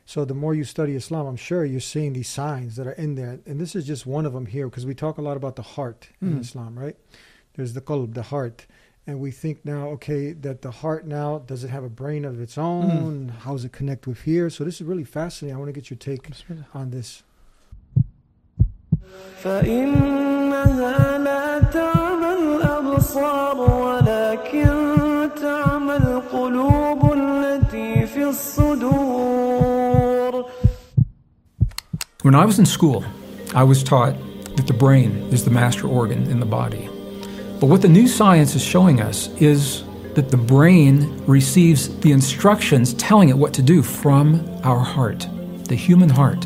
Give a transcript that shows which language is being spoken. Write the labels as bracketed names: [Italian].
[English] So the more you study Islam, I'm sure you're seeing these signs that are in there. And this is just one of them here because we talk a lot about the heart in Islam, right? There's the qalb, the heart. And we think now, okay, that the heart now, does it have a brain of its own? Mm. How does it connect with here? So this is really fascinating. I want to get your take on this. [Arabic] فإنها لا تعمى الأبصار ولكن تعمى القلوب التي في الصدور. [English] When I was in school, I was taught that the brain is the master organ in the body. But what the new science is showing us is that the brain receives the instructions telling it what to do from our heart, the human heart.